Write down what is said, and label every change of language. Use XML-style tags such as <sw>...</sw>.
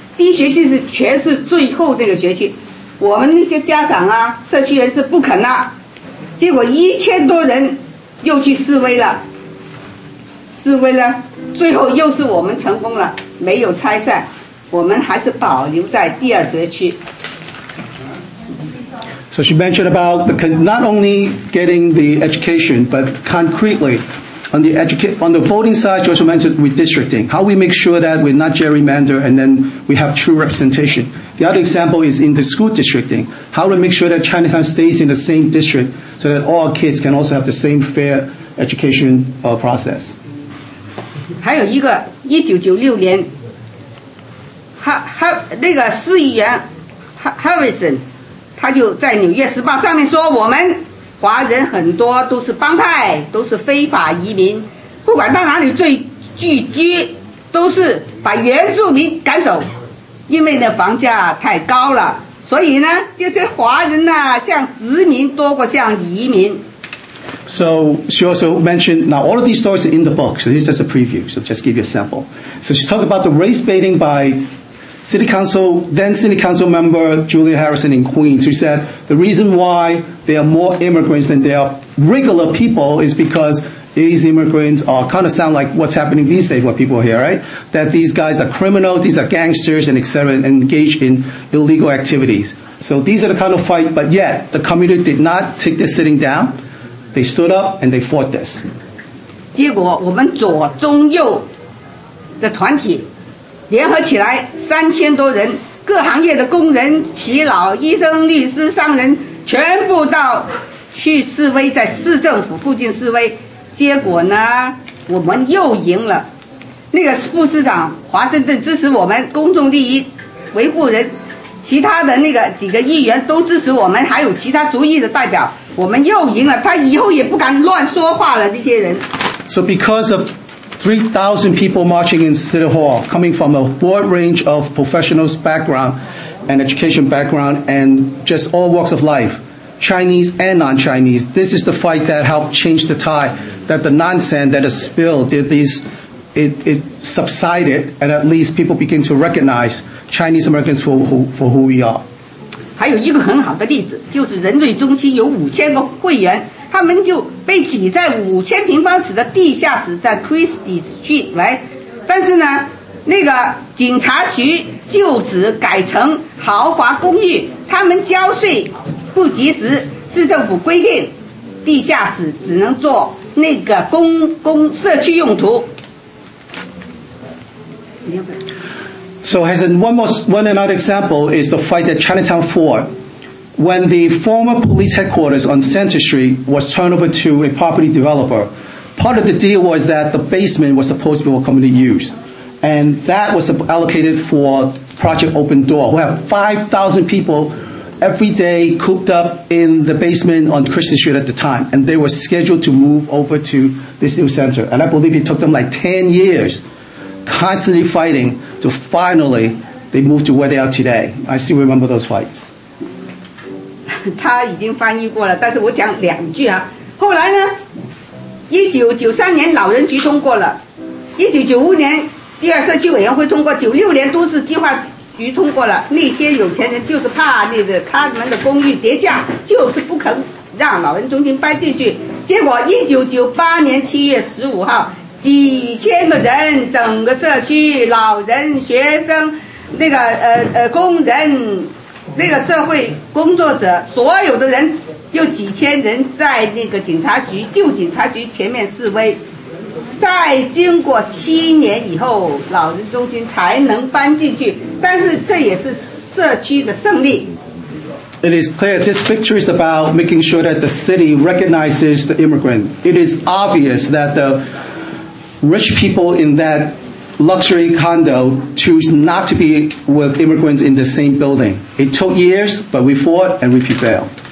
<zh>第一学期是全是最后这个学区，我们那些家长啊社区人士不肯啊，结果1000多人又去示威了，示威了最后又是我们成功了，没有拆散，我们还是保留在第二学区。</zh> <en>So she mentioned about not only getting the education, but concretely on the voting side, she also mentioned redistricting, how we make sure that we're not gerrymandered and then we have true representation. The other example is in the school districting, how we make sure that Chinatown stays in the same district so that all our kids can also have the same fair education process.</en> <zh>还有一个1996年那个市议员 Harrison他就在纽约时报上面说，我们华人很多都是帮派，都是非法移民，不管到哪里最聚居都是把原住民赶走，因为呢房价太高了，所以呢这些华人呢像殖民多过像移民。</zh> <en>So she also mentioned, now all of these stories are in the book, so this is just a preview, so just give you a sample. So she talked about the race baiting bythCity Council member Julia Harrison in Queens, who said the reason why there are more immigrants than there are regular people is because these immigrants are kind of sound like what's happening these days, what people hear, right? That these guys are criminals, these are gangsters, and et cetera, and engage in illegal activities. So these are the kind of fight, but yet the community did not take this sitting down. They stood up and they fought this.</en> <zh>结果我们左中右的团体联合起来3000多人，各行业的工人、企老、医生、律师、商人全部到去示威，在市政府附近示威，结果呢我们又赢了。那个副市长华盛顿支持我们，公众利益维护人，其他的那个几个议员都支持我们，还有其他族裔的代表，我们又赢了，他以后也不敢乱说话了，这些人。</zh> <en>So because of 3,000 people marching in City Hall, coming from a broad range of professionals' background and education background and just all walks of life, Chinese and non-Chinese. This is the fight that helped change the tide, that the nonsense that has spilled, it subsided, and at least people begin to recognize Chinese Americans for who we are.</en> <zh>还有一个很好的例子，就是人瑞中心有5000个会员，他们就被挤在5000平方尺的地下室，在 Christie Street， right？但是呢，那个警察局旧址改成豪华公寓，他们交税不及时，市政府规定地下室只能做那个公社区用途。</zh> <en>So has another example is the fight that Chinatown fought. When the former police headquarters on Center Street was turned over to a property developer, part of the deal was that the basement was supposed to be coming to use. And that was allocated for Project Open Door, who have 5,000 people every day cooped up in the basement on Christian Street at the time. And they were scheduled to move over to this new center. And I believe it took them like 10 years constantly fighting to finally they moved to where they are today. I still remember those fights.</en> <zh>他已经翻译过了，但是我讲两句啊。后来呢，1993年老人局通过了，1995年第二社区委员会通过，96年都市计划局通过了。那些有钱人就是怕那个他们的公寓跌价，就是不肯让老人中心搬进去。结果1998年7月15号，几千个人，整个社区老人、学生，那个工人。那个社会工作者所有的人有几千人在那个警察局旧警察局前面示威，在经过7年以后老人中心才能搬进去，但是这也是社区的胜利。</zh> <en>It is clear this victory is about making sure that the city recognizes the immigrant. It is obvious that the rich people in that luxury condo choose not to be with immigrants in the same building. It took years, but we fought and we prevailed.</en>